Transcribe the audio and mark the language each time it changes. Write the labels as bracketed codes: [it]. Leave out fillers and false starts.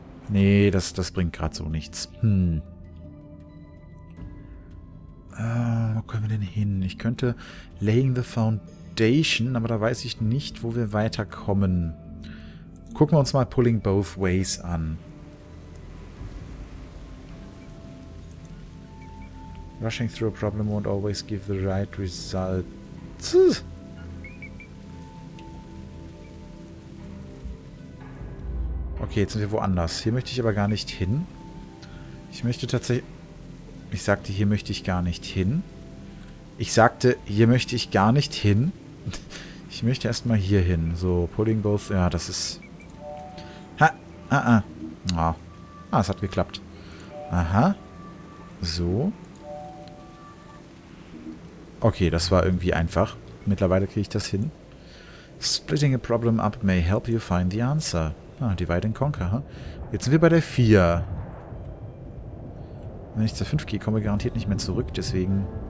[de] Nee, das bringt gerade so nichts. Wo können wir denn hin? Ich könnte Laying the Foundation, aber da weiß ich nicht, wo wir weiterkommen. Gucken wir uns mal Pulling Both Ways an. [en] Rushing through a problem won't always give the right result. [de] Okay, jetzt sind wir woanders. Hier möchte ich aber gar nicht hin. Ich möchte tatsächlich... Ich sagte, hier möchte ich gar nicht hin. Ich sagte, hier möchte ich gar nicht hin. Ich möchte erstmal hier hin. So, Pulling Both... Ja, das ist... Ah, es hat geklappt. Aha. So. Okay, das war irgendwie einfach. Mittlerweile kriege ich das hin. [en] Splitting a problem up may help you find the answer. [de] Ah, [en] divide and conquer, huh? [de] Jetzt sind wir bei der 4. Wenn ich zur 5 gehe, kommen wir garantiert nicht mehr zurück, deswegen...